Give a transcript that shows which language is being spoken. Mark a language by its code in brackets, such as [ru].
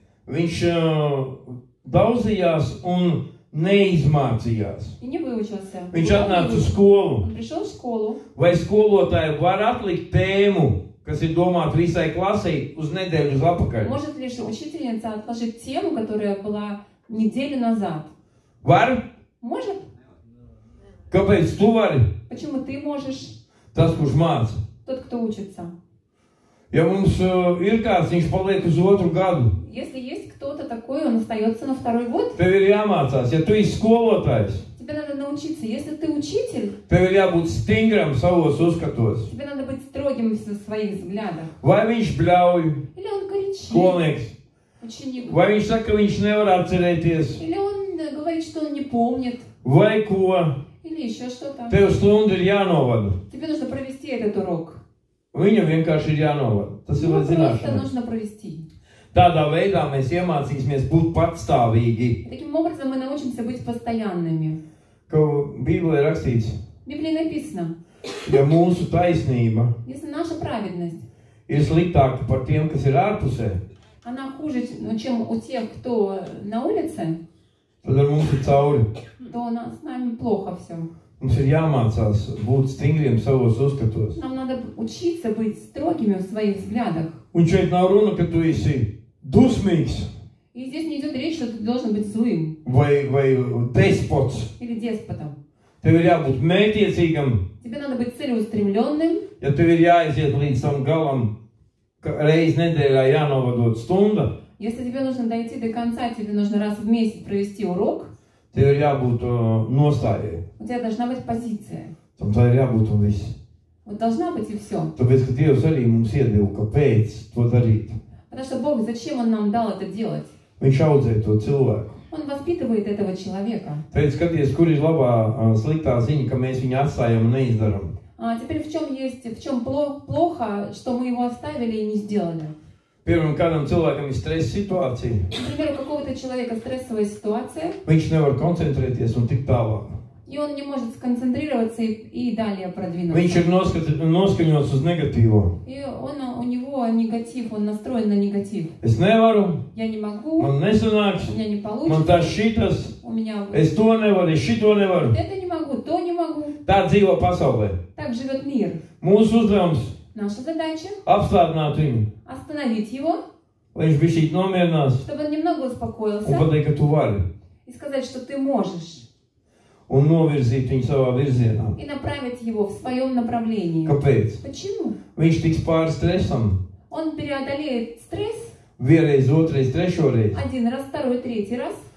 [lv] Viņš daudzījās un neizmācījās. [ru] И не выучился. [lv] Viņš atnāca uz skolu. [ru] Он пришел в школу. [lv] Vai skolotāji var atlikt tēmu, kas ir domāta visai klasei, uz nedēļu atpakaļ? [ru] Может ли учительница отложить тему, которая была неделю назад? [lv] Var? [ru] Может. [lv] Kāpēc tu vari? [ru] Почему ты можешь? [lv] Tas, kurš māc. [ru] Тот, кто учится. [lv] Ja mums ir kāds, viņš paliek uz otru gadu. [ru] Если есть кто-то такой, он остается на второй год. [lv] Tev ir jāmācās, ja tu esi skolotājs. [ru] Тебе надо научиться, если ты учитель. [lv] Tev ir jābūt stingram savos uzskatos. [ru] Тебе надо быть строгим в своих взглядах. [lv] Vai viņš bļauj? [ru] Или он кричит? [lv] Skolnieks. [ru] Ученик. [lv] Vai viņš saka, ka viņš nevar atcerēties? [ru] Или он говорит, что он не помнит? [lv] Vai ko? [ru] Или еще что-то. [lv] Tev stundu ir jānovada. [ru] Тебе нужно провести этот урок. [lv] Viņam vienkārši ir jānova. Tas ir vēl zināšana. [ru] Просто нужно провести. [lv] Tādā veidā mēs iemācīsimies būt patstāvīgi. [ru] Таким образом мы научимся быть постоянными. [lv] Ko Bībelē rakstīts? Bībelē [ru] написано. [lv] Ja mūsu taisnība. [ru] Если наша праведность. [lv] Ir sliktāka par tiem, kas ir ārpusē. [ru] Она хуже, чем у тех, кто на улице. [lv] Tad ar mums ir cauri. [ru] То с нами плохо всё. [lv] Mums ir jāmācās būt stingriem savos uzskatos. [ru] Нам надо учиться быть строгими в своих взглядах. [lv] Un šeit nav runa, ka tu esi dusmīgs. [ru] И здесь не идет речь, что ты должен быть злым. [lv] Vai despots. [ru] Или деспотом. [lv] Tev ir jābūt mērķiecīgam. [ru] Тебе надо быть целеустремленным. [lv] Ja tev ir jāiziet līdz tam galam, ka reiz nedēļā jānovadot stunda. [ru] Если тебе нужно дойти до конца, тебе нужно раз в месяц провести урок. [lv] Tev ir jābūt nostājai. [ru] У тебя должна быть позиция. [lv] Tam tā ir jābūt un viss. [ru] Вот должна быть и все. [lv] Tāpēc, ka Dievs arī mums iedeva, kāpēc to darīt. [ru] Потому что Бог, зачем он нам дал это делать? [lv] Viņš audzē to cilvēku. [ru] Он воспитывает этого человека. [lv] Tāpēc, skaties, kur ir labā sliktā ziņa, ka mēs viņu atstājam un neizdaram. [ru] А теперь в чем есть, в чем плохо, что мы его оставили и не сделали? [lv] Pirmam kādam cilvēkam ir stresa situācija. [ru] Например, у какого-то человека стрессовая ситуация. [lv] Viņš nevar koncentrēties un tik tālāk. [ru] И он не может сконцентрироваться и далее продвинуться. [lv] Viņš ir noskaņots uz negatīvo. [ru] И он, у него негатив, он настроен на негатив. [lv] Es nevaru. [ru] Я не могу. [lv] Man nesanāks. [ru] Мне не получится. [lv] Man tas šitas. [ru] У меня... [lv] Es to nevaru, es šito nevaru. [ru] Это не могу, то не могу. [lv] Tā dzīvo pasaulē. [ru] Так живет мир. [lv] Mūsu uzdevums. [ru] Наша задача. [lv] Apstādināt viņu. [ru] Остановить его. [lv] Lai viņš bišķīt nomierinās. [ru] Чтобы он немного успокоился. [lv] Un pateikt, ka tu vari. [ru] И сказать, что ты можешь. [lv] Un novirzīt viņu savā virzienā. [ru] И направить его в своем направлении. [lv] Kāpēc? [ru] Почему? [lv] Viņš tiks pār stresam. [ru] Он преодолеет стресс. [lv] Vienreiz, otrreiz, trešoreiz. [ru] Один раз, второй, третий раз.